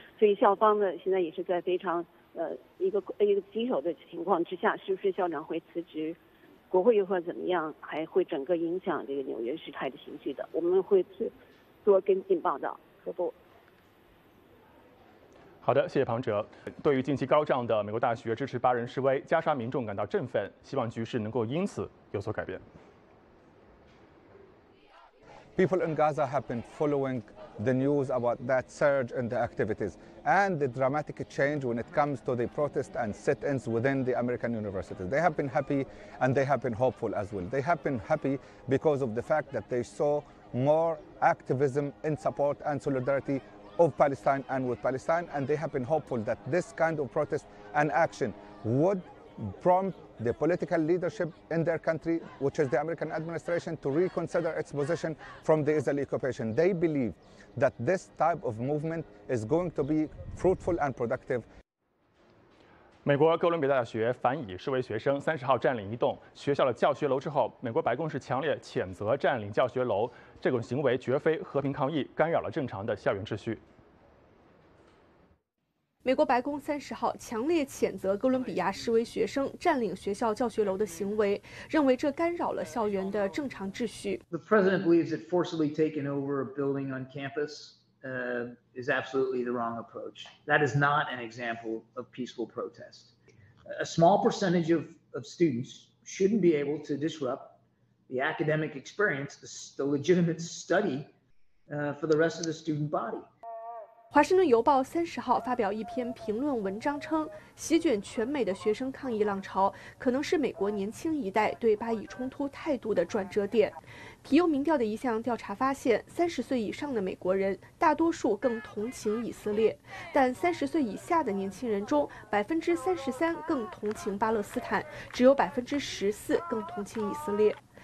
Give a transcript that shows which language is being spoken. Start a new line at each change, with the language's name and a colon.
Chinese: 所以校方呢现在也是在非常一个棘手的情况之下，是不是校长会辞职，国会又会怎么样，还会整个影响这个纽约时态的情绪的，我们会做跟进报道。何博。好的，谢谢庞哲。对于近期高涨的美国大学支持八人示威，加沙民众感到振奋，希望局势能够因此有所改变。
English: People in Gaza have been following the news about that surge in the activities and the dramatic change when it comes to the protests and sit-ins within the American universities. They have been happy and they have been hopeful as well. They have been happy because of the fact that they saw more activism in support and solidarity of Palestine and with Palestine, and they have been hopeful that this kind of protest and action would prompt the political leadership in their country, which is the American administration, to reconsider its position from the Israeli occupation. They believe that this type of movement is going to be fruitful and productive.
Chinese: 美国哥伦比亚大学反以示威学生30号占领一栋学校的教学楼之后，美国白宫是强烈谴责占领教学楼这种行为绝非和平抗议，干扰了正常的校园秩序。美国白宫30号强烈谴责哥伦比亚示威学生占领学校教学楼的行为，认为这干扰了校园的正常秩序。
English: The president believes that forcibly taking over a building on campus, is absolutely the wrong approach. That is not an example of peaceful protest. A small percentage of students shouldn't be able to disrupt the academic experience, the legitimate study, for the rest of the student body.
Chinese: 华盛顿邮报30号发表一篇评论文章称，席卷全美的学生抗议浪潮可能是美国年轻一代对巴以冲突态度的转折点。皮尤民调的一项调查发现，30岁以上的美国人大多数更同情以色列，但30岁以下的年轻人中33%更同情巴勒斯坦，只有14%更同情以色列。